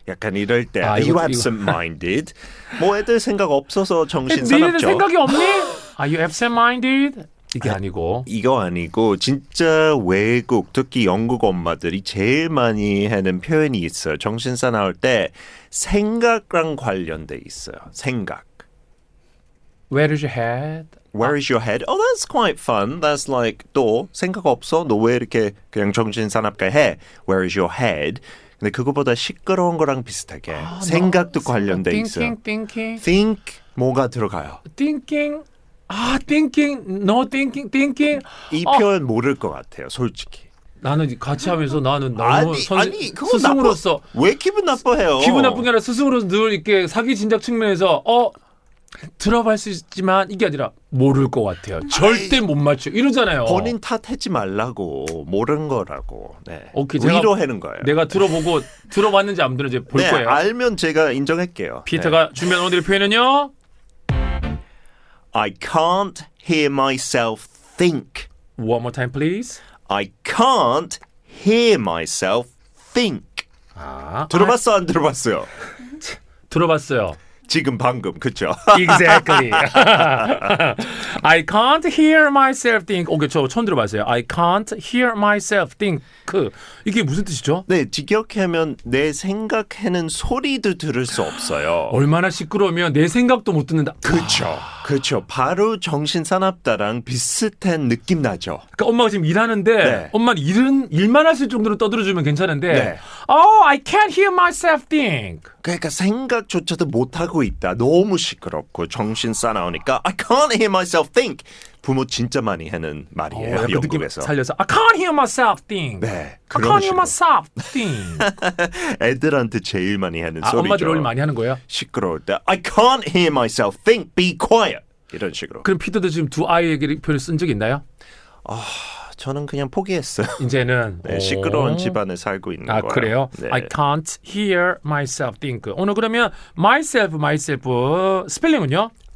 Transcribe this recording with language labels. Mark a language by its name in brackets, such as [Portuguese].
[Korean] 약간 이럴 때 [English] Are you absent-minded? [Korean] 뭐 애들 생각 없어서 정신 사납죠. 니네들 생각이 없니? [English] Are you absent-minded? [Korean] 이게 아니고. 이거 아니고 진짜 외국 특히 영국 엄마들이 제일 많이 하는 표현이 있어요. 정신 사나울 때 생각랑 관련돼 있어요. 생각. [English] Where is your head? Where is your head? Oh, that's quite fun. That's like [Korean] 또 생각 없어? 너 왜 이렇게 그냥 정신 사납게 해? [English] Where is your head? [Korean] 근데 그거보다 시끄러운 거랑 비슷하게 생각도 관련돼 [English] thinking, [Korean] 있어요. [English] Thinking. [Korean] Think 뭐가 들어가요? [English] Thinking. 아, thinking. No thinking. Thinking. [Korean] 이 표현 모를 것 같아요, 솔직히. 나는 같이 하면서 나는 스승으로서 왜 기분 나빠해요? 기분 나쁜 게 아니라 스승으로서 늘 이렇게 사기 진작 측면에서 들어갈 수 있지만 이게 아니라 모를 것 같아요. 절대 못 맞춰 이러잖아요. 본인 탓하지 말라고 모른 거라고. 네. 오케이, 제가 위로하는 거예요. 내가 들어보고 들어봤는지 안 들었는지 볼 네, 거예요. 알면 제가 인정할게요. 피터가 네. 준비한 오늘의 표현은요. [English] I can't hear myself think. One more time, please. I can't hear myself think. [Korean] 아, 들어봤어 안 들어봤어요? 들어봤어요. 지금 방금 그죠? [English] Exactly. I can't hear myself think. [Korean] 오케이, 저 처음 들어봤어요. [English] I can't hear myself think. [Korean] 이게 무슨 뜻이죠? 네, 직역하면 내 생각하는 소리도 들을 수 없어요. 얼마나 시끄러우면 내 생각도 못 듣는다. 그렇죠. 그렇죠. 바로 정신산업다랑 비슷한 느낌 나죠. 그러니까 엄마가 지금 일하는데 네. 엄마는 일은 일만 하실 정도로 떠들어주면 괜찮은데 네. [English] Oh, I can't hear myself think. [Korean] 그러니까 생각조차도 못하고 있다. 너무 시끄럽고 정신싸나오니까 [English] I can't hear myself think. [Korean] 부모 진짜 많이 하는 말이에요. 그 느낌 살려서 [English] I can't hear myself think. [Korean] 네, [English] I can't hear myself think. [Korean] 애들한테 제일 많이 하는 소리죠. 엄마들 롤 많이 하는 거예요? 시끄러울 때 [English] I can't hear myself think. Be quiet. [Korean] 이런 식으로. 그럼 피터도 지금 두 아이에게 표현을 쓴 적 있나요? 아, 저는 그냥 포기했어요. 이제는. 네, 시끄러운 집안에 살고 있는 거예요. 아, 그래요? 네. [English] I can't hear myself think. [Korean] 오늘 그러면 myself 스펠링은요?